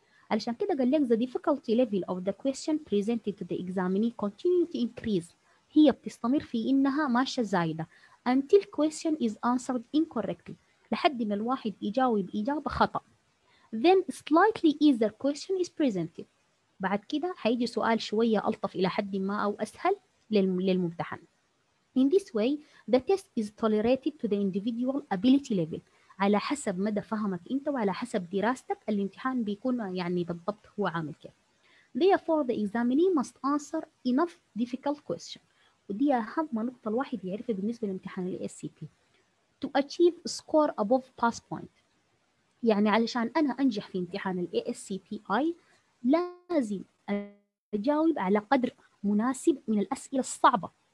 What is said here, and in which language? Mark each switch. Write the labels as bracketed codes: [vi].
[ar] علشان كده قال لك [en] the difficulty level of the question presented to the examinee continue to increase، [ar] هي بتستمر في إنها ماشية زايدة [en] until question is answered incorrectly، [ar] لحد ما الواحد يجاوب إجابة خطأ. [en] Then slightly easier question is presented. [ar] بعد كده حيجي سؤال شوية ألطف إلى حد ما أو أسهل للممتحن. [en] In this way, the test is tolerated to the individual ability level. [ar] على حسب مدى فهمك أنت وعلى حسب دراستك الامتحان بيكون يعني بالضبط هو عامل كيف. [en] Therefore, the examinee must answer enough difficult questions. [ar] ودي أهم نقطة الواحد يعرفها بالنسبة لامتحان الـ SCP. [en] To achieve score above pass point. [ar] يعني علشان أنا أنجح في امتحان الـ ASCPI لازم أجاوب على قدر مناسب من الأسئلة الصعبة.